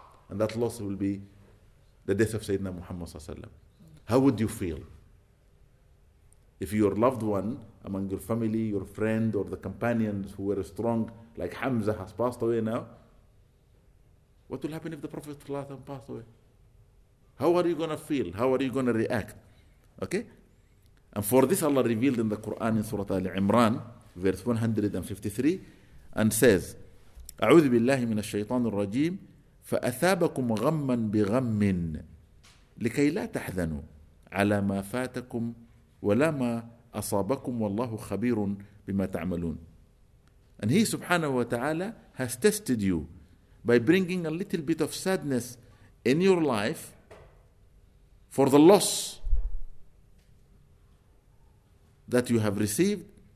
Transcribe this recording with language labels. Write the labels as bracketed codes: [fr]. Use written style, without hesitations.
[en] And that loss will be the death of Sayyidina Muhammad sallallahu alayhi wa sallam. How would you feel if your loved one among your family, your friend, or the companions who were strong, like Hamza, has passed away now? What will happen if the Prophet passed away? How are you going to feel? How are you going to react? Okay? And for this, Allah revealed in the Quran in Surah Ali Imran, verse 153, and says, [ar] أعوذ بالله من الشيطان الرجيم فأثابكم غما بغم لكي لا تحزنوا على ما فاتكم ولا ما أصابكم والله خبير بما تعملون. [en] And he subhanahu wa ta'ala has tested you by bringing a little bit of sadness in your life for the loss that you have received.